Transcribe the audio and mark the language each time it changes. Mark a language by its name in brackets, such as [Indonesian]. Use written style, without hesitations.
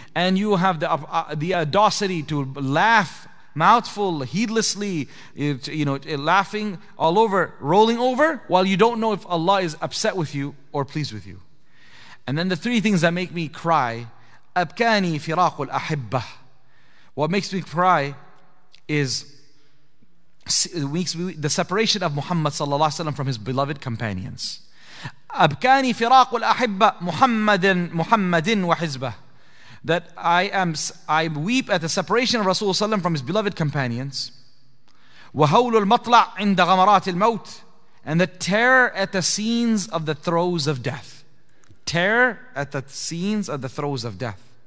[English] And you have the audacity to laugh mouthful, heedlessly, you know, laughing all over, rolling over, while you don't know if Allah is upset with you or pleased with you. And then the three things that make me cry, [Arabic] أبكاني فراق الأحبة. [English] What makes me cry is the separation of Muhammad صلى الله عليه وسلم from his beloved companions. [Arabic] أبكاني فراق الأحبة محمدٍ وحزبه. [English] That I weep at the separation of Rasulullah sallam from his beloved companions. [Arabic] وَهَوْلُ الْمَطْلَعِ عِنْدَ غَمَرَاتِ الْمَوْتِ. [English] And the terror at the scenes of the throes of death. Terror at the scenes of the throes of death.